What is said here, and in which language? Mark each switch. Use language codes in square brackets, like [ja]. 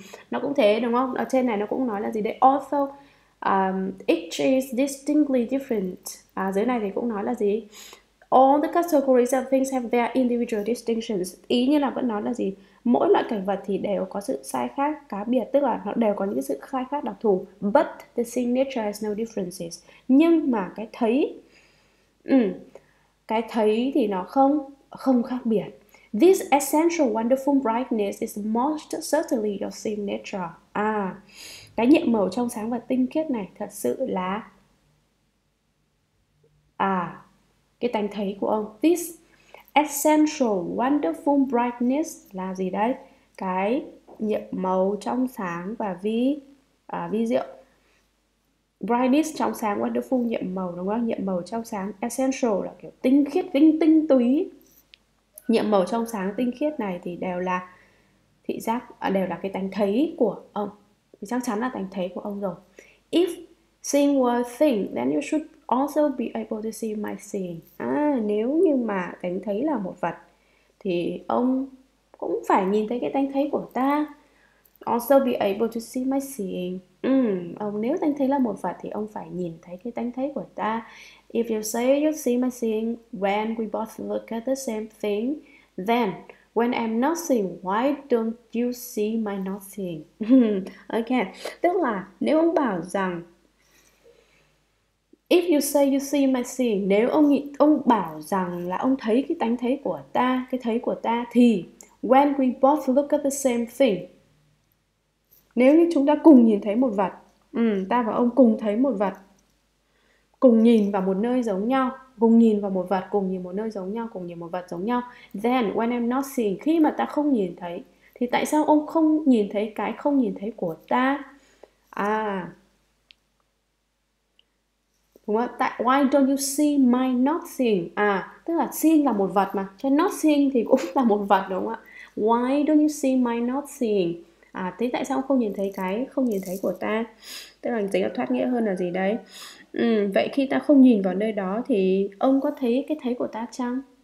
[vi] Nó cũng thế đúng không? Ở trên này nó cũng nói là gì đấy? [en] Also, each is distinctly different. [vi] Dưới này thì cũng nói là gì? [en] All the categories of things have their individual distinctions. [vi] Ý như là vẫn nói là gì? Mỗi loại cảnh vật thì đều có sự sai khác, cá biệt, tức là nó đều có những sự sai khác đặc thù. [en] But the signature has no differences. [vi] Nhưng mà cái thấy, cái thấy thì nó không, không khác biệt. [en] This essential wonderful brightness is most certainly your signature. [vi] Cái nhiệm màu trong sáng và tinh khiết này thật sự là cái tánh thấy của ông. [en] This essential wonderful brightness [vi] là gì đấy? Cái nhiệm màu trong sáng và vi diệu. Brightness trong sáng, wonderful nhiệm màu đúng không? Nhiệm màu trong sáng, essential là kiểu tinh khiết, tinh túy. Nhiệm màu trong sáng tinh khiết này thì đều là thị giác, đều là cái tánh thấy của ông. Thì chắc chắn là tánh thấy của ông rồi. [en] If seeing were a thing, then you should also be able to see my seeing. [vi] Nếu như mà tánh thấy là một vật thì ông cũng phải nhìn thấy cái tánh thấy của ta. [en] Also be able to see my seeing. [vi] Ông, nếu tánh thấy là một vật thì ông phải nhìn thấy cái tánh thấy của ta. [en] If you say you see my seeing when we both look at the same thing, then when I'm not seeing, why don't you see my not seeing? [vi] Okay, tức là nếu ông bảo rằng, [en] if you say you see my seeing, [vi] nếu ông bảo rằng là ông thấy cái tánh thấy của ta, cái thấy của ta, thì [en] when we both look at the same thing, [vi] nếu như chúng ta cùng nhìn thấy một vật, ta và ông cùng thấy một vật, cùng nhìn vào một nơi giống nhau, cùng nhìn vào một vật, cùng nhìn một nơi giống nhau, cùng nhìn một vật giống nhau. [en] Then when I'm not seeing, [vi] khi mà ta không nhìn thấy, thì tại sao ông không nhìn thấy cái không nhìn thấy của ta? Đúng không? [en] Tại why don't you see my not seeing? [vi] Tức là seeing là một vật mà, cho [en] not seeing [vi] thì cũng là một vật đúng không ạ? [en] Why don't you see my not seeing? [vi] Thế tại sao ông không nhìn thấy cái không nhìn thấy của ta? Tức là tính là thoát nghĩa hơn là gì đấy? Vậy khi ta không nhìn vào nơi đó thì ông có thấy cái thấy của ta chăng?